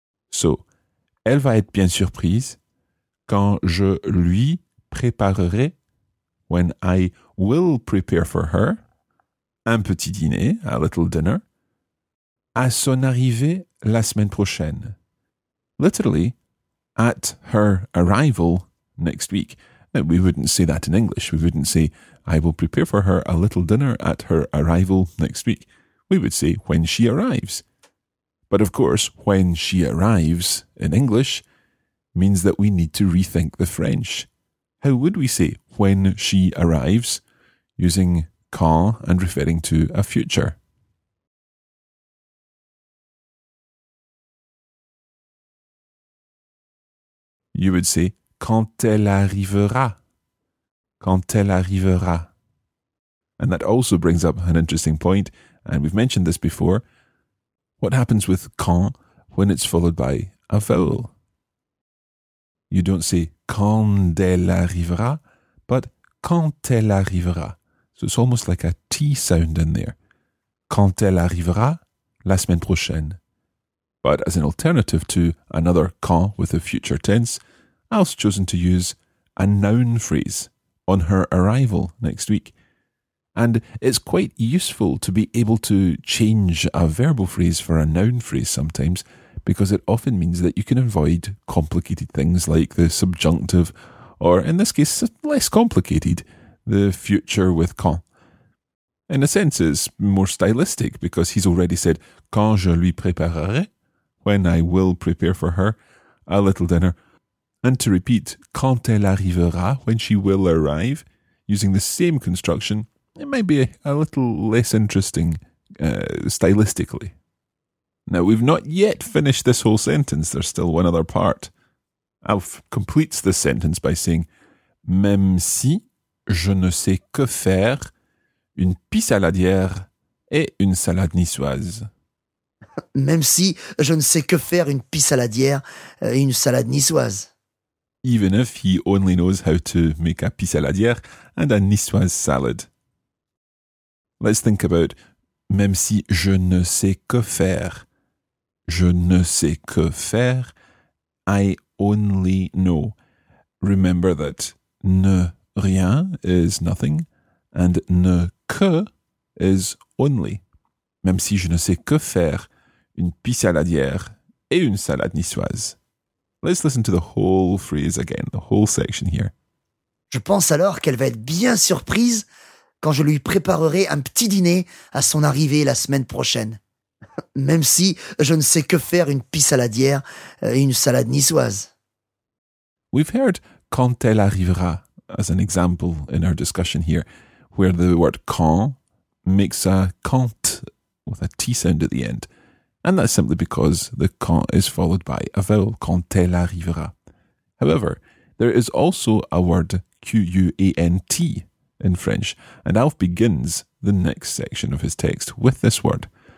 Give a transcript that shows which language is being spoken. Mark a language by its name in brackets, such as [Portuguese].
[French] So, elle va être bien surprise quand je lui préparerai, [English] when I will prepare for her, [French] un petit dîner, [English] a little dinner, [French] à son arrivée la semaine prochaine. [English] Literally, at her arrival next week. Now, we wouldn't say that in English. We wouldn't say, I will prepare for her a little dinner at her arrival next week. We would say, when she arrives. But of course, when she arrives in English means that we need to rethink the French. How would we say, when she arrives, using quand and referring to a future? You would say, [French] quand elle arrivera. Quand elle arrivera. [English] And that also brings up an interesting point, and we've mentioned this before. What happens with quand when it's followed by a vowel? You don't say [French] quand elle arrivera, [English] but quand elle arrivera. So it's almost like a T sound in there. [French] Quand elle arrivera, la semaine prochaine. [English] But as an alternative to another quand with a future tense, I've chosen to use a noun phrase, on her arrival next week. And it's quite useful to be able to change a verbal phrase for a noun phrase sometimes, because it often means that you can avoid complicated things like the subjunctive, or in this case, less complicated, the future with quand. In a sense, it's more stylistic, because he's already said, [French] quand je lui préparerai, [English] when I will prepare for her a little dinner. And to repeat, [French] quand elle arrivera, [English] when she will arrive, using the same construction, it might be a little less interesting stylistically. Now, we've not yet finished this whole sentence. There's still one other part. Alf completes this sentence by saying, [French] même si je ne sais que faire une pissaladière et une salade niçoise. Même si je ne sais que faire une pissaladière et une salade niçoise. [English] Even if he only knows how to make a pissaladière and a niçoise salad. Let's think about [French] même si je ne sais que faire. Je ne sais que faire. [English] I only know. Remember that ne rien is nothing and ne que is only. [French] Même si je ne sais que faire une pissaladière et une salade niçoise. [English] Let's listen to the whole phrase again, the whole section here. [French] Je pense alors qu'elle va être bien surprise quand je lui préparerai un petit dîner à son arrivée la semaine prochaine. Même si je ne sais que faire une pissaladière et une salade niçoise. [English] We've heard [French] quand elle arrivera [English] as an example in our discussion here, where the word quand makes a quand with a T sound at the end. And that's simply because the quand is followed by a vowel, [French] quand elle arrivera. [English] However, there is also a word quant in French, and Alf begins the next section of his text with this word.